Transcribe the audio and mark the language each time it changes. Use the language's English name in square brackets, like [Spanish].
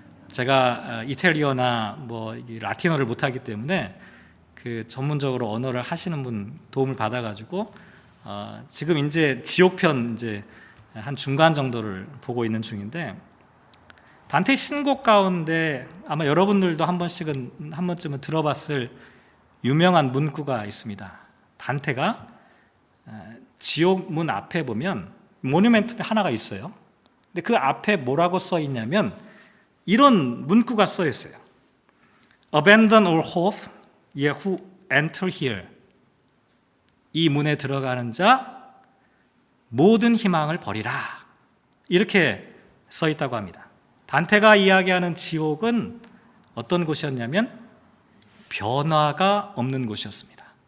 [Korean] 제가 이탈리어나 뭐 라틴어를 못하기 때문에 그 전문적으로 언어를 하시는 분 도움을 받아가지고 지금 이제 지옥편 이제 한 중간 정도를 보고 있는 중인데 단테 신곡 가운데 아마 여러분들도 한 번쯤은 들어봤을 유명한 문구가 있습니다. 단테가 지옥 문 앞에 보면 모뉴멘트 하나가 있어요. 근데 그 앞에 뭐라고 써 있냐면 이런 문구가 써 있어요. [English] Abandon all hope, yet who enter here. [Korean] 이 문에 들어가는 자 모든 희망을 버리라. 이렇게 써 있다고 합니다. 단테가 이야기하는 지옥은 어떤 곳이었냐면 변화가 없는 곳이었습니다.